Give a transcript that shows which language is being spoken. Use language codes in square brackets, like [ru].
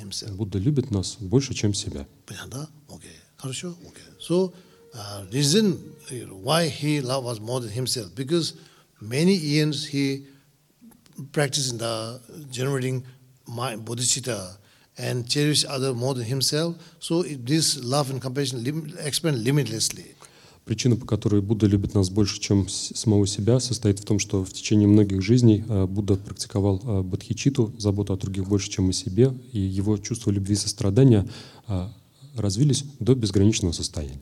[ru] Будда любит нас больше, чем себя. Понятно? Окей. Хорошо? Окей. [en] So, reason why he loves us more than himself, because many years he practiced the generating mind, bodhicitta, and cherish other more than himself, so this love and compassion expand limitlessly. [ru] Причина, по которой Будда любит нас больше, чем самого себя, состоит в том, что в течение многих жизней Будда практиковал бодхичитту, заботу о других больше, чем о себе, и его чувство любви и сострадания развились до безграничного состояния.